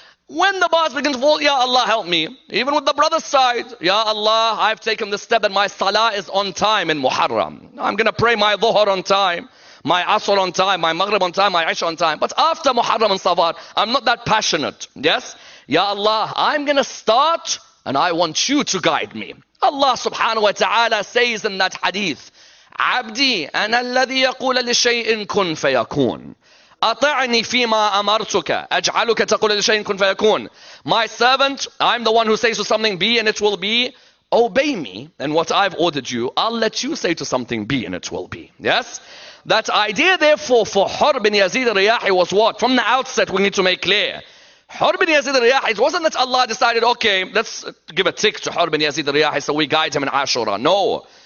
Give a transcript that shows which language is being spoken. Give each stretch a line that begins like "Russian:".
English: When the bars begin to fall, Ya Allah, help me. Even with the brother's side, Ya Allah, I've taken the step that my salah is on time in Muharram. I'm going to pray my dhuhr on time, my asr on time, my maghrib on time, my isha on time. But after Muharram and Safar, I'm not that passionate, yes? Ya Allah, I'm going to start and I want you to guide me. Allah subhanahu wa ta'ala says in that hadith,
Arabic: عبدي أنا الذي يقول لشيء كن فيكون أطعني فيما أمرتك أجعلك تقول لشيء كن فيكون.
English: My servant, I'm the one who says to something be and it will be. Obey me and what I've ordered you, I'll let you say to something be and it will be. Yes? That idea therefore for Hur bin Yazid al-Riyahi was what? From the outset we need to make clear. Hur bin Yazid al-Riyahi, it wasn't that Allah decided, okay, let's give a tick to Hur bin Yazid al-Riyahi so we guide him in Ashura. No.